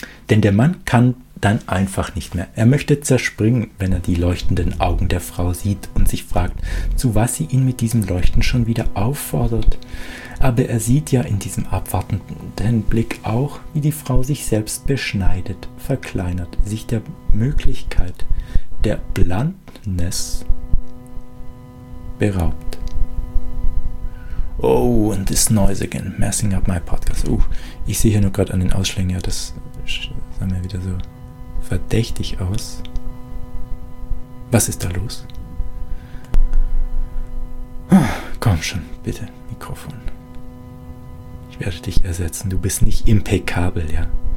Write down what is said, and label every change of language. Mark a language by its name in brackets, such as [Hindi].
[German] Denn der Mann kann dann einfach nicht mehr. Er möchte zerspringen, wenn er die leuchtenden Augen der Frau sieht und sich fragt, zu was sie ihn mit diesem Leuchten schon wieder auffordert. Aber er sieht ja in diesem abwartenden Blick auch, wie die Frau sich selbst beschneidet, verkleinert, sich der Möglichkeit der Bluntness beraubt. [English] Oh, and this noise again, messing up my podcast. [German] Ich sehe hier nur gerade an den Ausschlägen, ja, das sah mir wieder so verdächtig aus. Was ist da los? Komm schon, bitte, Mikrofon. Ich werde dich ersetzen. Du bist nicht impeccabel, ja.